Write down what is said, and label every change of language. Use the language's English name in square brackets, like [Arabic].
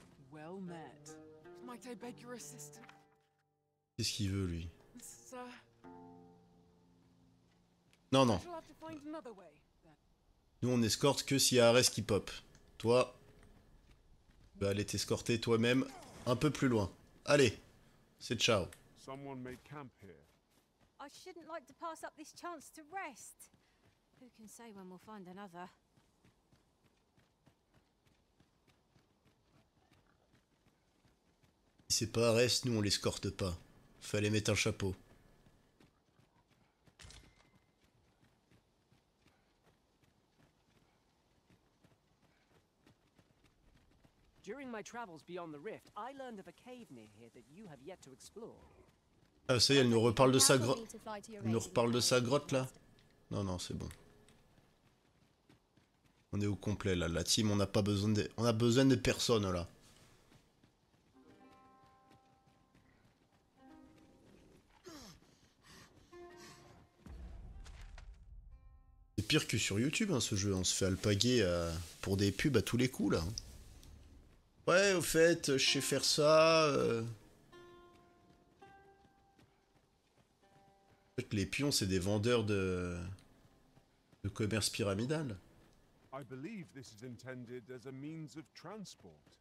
[English] Well met. Might I beg your assistance? [French] Qu'est-ce qu'il veut lui? [English] Sir. [French] Non. Nous on escorte que s'il y a Arès qui pop. Toi, tu vas aller t'escorter toi-même un peu plus loin. Allez, c'est ciao. [English] Someone may camp here. I shouldn't like to pass up this chance to rest. Who can say when we'll find another? [French] C'est pas Arès, nous on l'escorte pas. Fallait mettre un chapeau. During my travels beyond the rift, I learned of a cave near here that you have yet to explore. Ah, ça y est, elle nous reparle de sa grotte. Elle nous reparle de sa grotte là. Non, c'est bon. On est au complet là, la team, on a besoin de personne là. Pire que sur YouTube, hein, ce jeu, on se fait alpaguer pour des pubs à tous les coups là. Ouais, au fait, je sais faire ça. En fait, les pions, c'est des vendeurs de commerce pyramidal. [English] I believe this is intended as a means of transport.